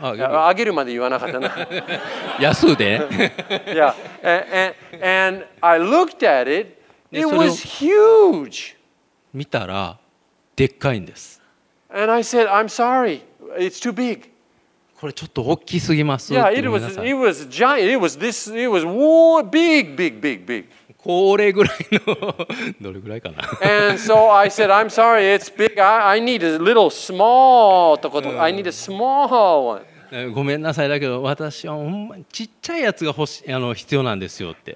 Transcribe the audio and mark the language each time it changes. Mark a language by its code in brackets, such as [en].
[ja] あげるよ、あげるまで言わなかったな安で [en] yeah. and I looked at it. It was huge. [ja] 見たらでっかいんです。 [en] And I said, "I'm sorry, it's too big." [ja] これちょっと大きすぎます。 [en] Yeah, it was giant. It was whoa, big, big, big, big. [ja] これぐらいのどれぐらいかな。 [en] And so I said, "I'm sorry, it's big. I need a little small. I need a small one." [ja] ごめんなさいだけど私はほんまにちっちゃいやつが欲しい必要なんですよって。